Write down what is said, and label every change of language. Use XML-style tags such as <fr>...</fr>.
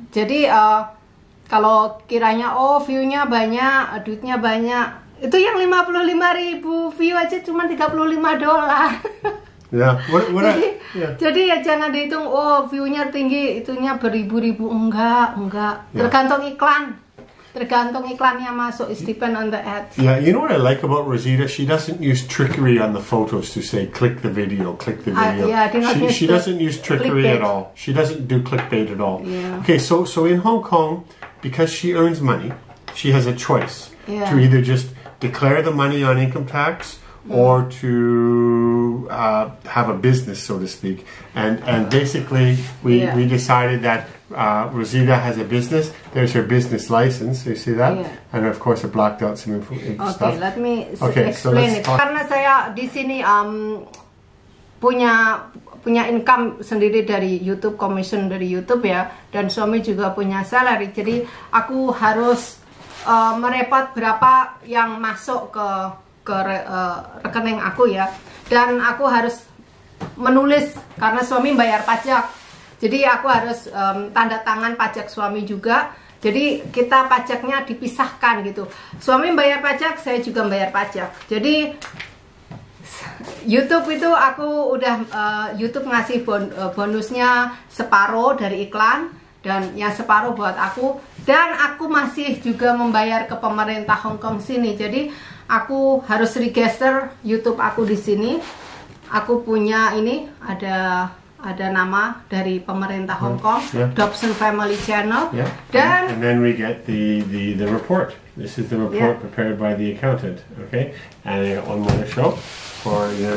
<id>Jadi kalau kiranya oh view-nya banyak, duitnya banyak, itu yang 55.000 view aja cuman $35. Jadi ya jangan dihitung oh view-nya tinggi itunya beribu-ribu, enggak. Tergantung iklan. Tergantung iklan yang masuk,</id> <en>it depends on the ads. Yeah, you know what I like about Rosita? She doesn't use trickery on the photos to say click the video. She doesn't use trickery at all. She doesn't do clickbait at all. Yeah. Okay, so in Hong Kong, because she earns money, she has a choice to either just declare the money on income tax or to have a business, so to speak. And basically, we decided that Rosita has a business. There's her business license. You see that? Yeah. And of course, it blocked out some info. Okay, let me explain.</en> <id>Karena saya di sini punya income sendiri dari YouTube, commission dari YouTube ya, dan suami juga punya salary. Jadi aku harus merepot berapa yang masuk ke rekening aku ya, dan aku harus menulis karena suami bayar pajak. Jadi aku harus tanda tangan pajak suami juga. Jadi kita pajaknya dipisahkan gitu. Suami bayar pajak, saya juga bayar pajak. Jadi YouTube itu aku udah YouTube ngasih bonusnya separuh dari iklan dan yang separuh buat aku. Dan aku masih juga membayar ke pemerintah Hong Kong sini. Jadi aku harus register YouTube aku di sini. Aku punya ini ada nama dari pemerintah Hong Kong, Dobson Family Channel. Yeah. Dan</id> <en>and then we get the report. This is the report prepared by the accountant. Okay. And I got one more to show for your</en>